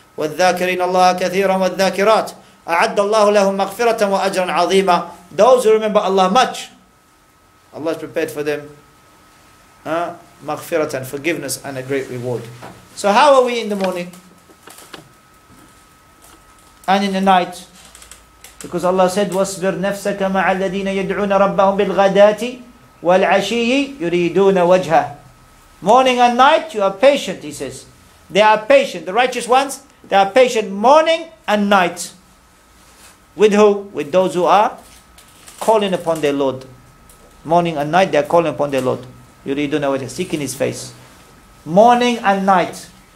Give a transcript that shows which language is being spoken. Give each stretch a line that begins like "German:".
Arabic: وَالذَّاكِرِينَ اللَّهَ كَثِيرًا وَالذَّاكِرَاتِ أَعَدَّ اللَّهُ لَهُمْ مَغْفِرَةً وَأَجْرًا عَظِيمًا.
English: Those who remember Allah much, Allah has prepared for them maghfirat and forgiveness and a great reward. So how are we in the morning and in the night? Because Allah said,
Arabic: وَاصْبِرْ نَفْسَكَ مَعَ الَّذِينَ يَدْعُونَ رَبَّهُمْ بِالْغَدَاتِ وَالْعَشِيِّ يُرِيدُونَ وَجْهَهُ.
English: Morning and night, you are patient, He says. They are patient, the righteous ones, they are patient morning and night. With who? With those who are calling upon their Lord. Morning and night, they are calling upon their Lord.
Arabic: يُرِيدُونَ وَجْهَ,
English: seeking His face. Morning and night.